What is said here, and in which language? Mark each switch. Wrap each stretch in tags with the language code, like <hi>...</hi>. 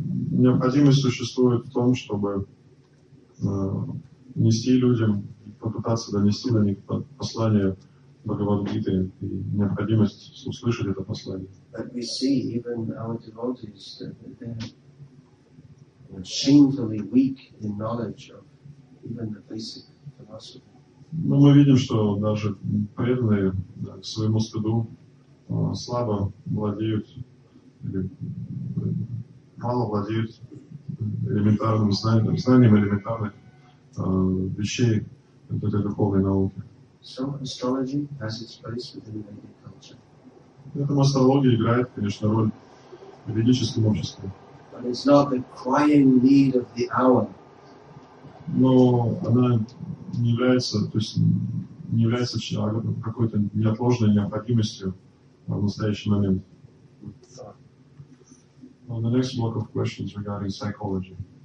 <ru>Необходимость существует в том, чтобы нести людям, попытаться донести до них послание Бхагавад Гиты и необходимость услышать это послание.</ru> <en>But we see even our devotees that they're shamefully weak in knowledge of even the basic philosophy.</en> <ru>Но мы видим, что даже преданные к своему стыду слабо владеют или мало владеют элементарным знанием элементарных вещей этой духовной науки.</ru> <en>So astrology has its place within Vedic culture.</en> <ru>Поэтому астрология играет, конечно, роль в ведическом обществе.</ru> <en>But it's not the crying need of the hour.</en> <ru>Но она не является, то есть не является человеком какой-то неотложной необходимостью в настоящий момент.</ru> <en>Well, the next block of questions regarding psychology.</en>